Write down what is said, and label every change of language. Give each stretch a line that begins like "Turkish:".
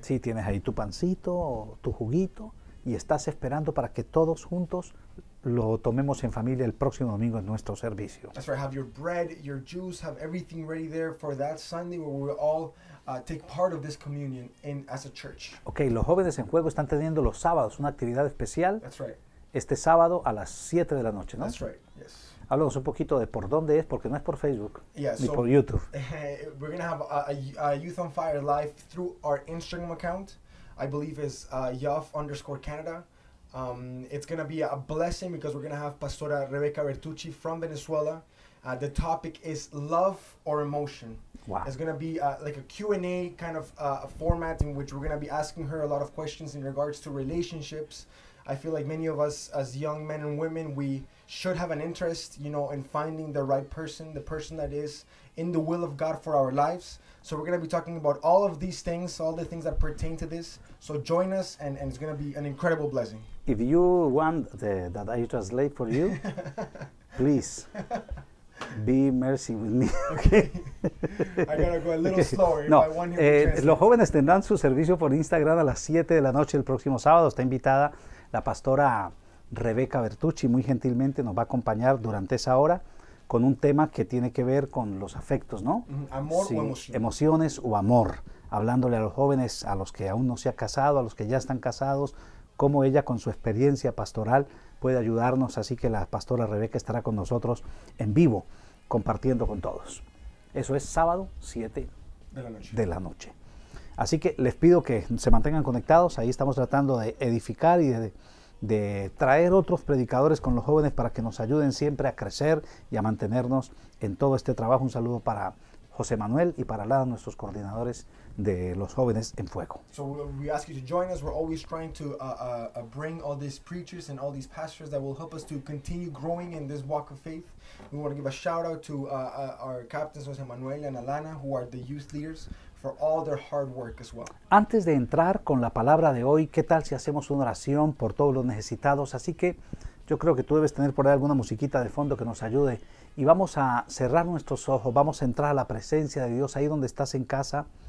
Spanish: Sí, tienes ahí tu pancito, tu juguito, y estás esperando para que todos juntos lo tomemos en familia el próximo domingo en nuestro servicio.
English: That's right, have your bread, your juice, have everything ready there for that Sunday where we'll all take part of this communion in, as a church.
Spanish: Okay, los jóvenes en juego están teniendo los sábados una actividad especial.
English: That's right.
Spanish: Este sábado a las 7 de la noche, ¿no?
English: That's right, yes.
Spanish: Hablamos un poquito de por dónde es, porque no es por Facebook,
English: yeah,
Spanish: ni
English: so,
Spanish: por YouTube.
English: We're going to have a Youth on Fire live through our Instagram account. I believe it's YUF_Canada. It's going to be a blessing because we're going to have Pastora Rebecca Bertucci from Venezuela. The topic is love or emotion. Wow. It's going to be like a Q&A kind of format in which we're going to be asking her a lot of questions in regards to relationships. I feel like many of us as young men and women, we should have an interest, you know, in finding the right person, the person that is in the will of God for our lives. So we're going to be talking about all of these things, all the things that pertain to this. So join us, and it's going to be an incredible blessing. If you want that I translate for you, please be mercy with me. Okay. I got to go a little slower. No. If I want him to translate.
Spanish: Los jóvenes tendrán su servicio por Instagram a las 7 de la noche el próximo sábado. Está invitada la pastora Rebeca Bertucci, muy gentilmente nos va a acompañar durante esa hora con un tema que tiene que ver con los afectos, ¿no? Amor sí, o emociones. Emociones o amor. Hablándole a los jóvenes, a los que aún no se ha casado, a los que ya están casados, cómo ella con su experiencia pastoral puede ayudarnos. Así que la pastora Rebeca estará con nosotros en vivo, compartiendo con todos. Eso es sábado 7 de la noche. Así que les pido que se mantengan conectados. Ahí estamos tratando de edificar y de traer otros predicadores con los jóvenes para que nos ayuden siempre a crecer y a mantenernos en todo este trabajo. Un saludo para José Manuel y para Lada, nuestros coordinadores de los jóvenes en fuego.
English: So we ask you to join us. We're always trying to bring all these preachers and all these pastors that will help us to continue growing in this walk of faith. We want to give a shout out to our captains José Manuel and Alana, who are the youth leaders, for all their hard work as well.
Spanish: Antes de entrar con la palabra de hoy, ¿qué tal si hacemos una oración por todos los necesitados? Así que yo creo que tú debes tener por ahí alguna musiquita de fondo que nos ayude. Y vamos a cerrar nuestros ojos, vamos a entrar a la presencia de Dios ahí donde estás en casa.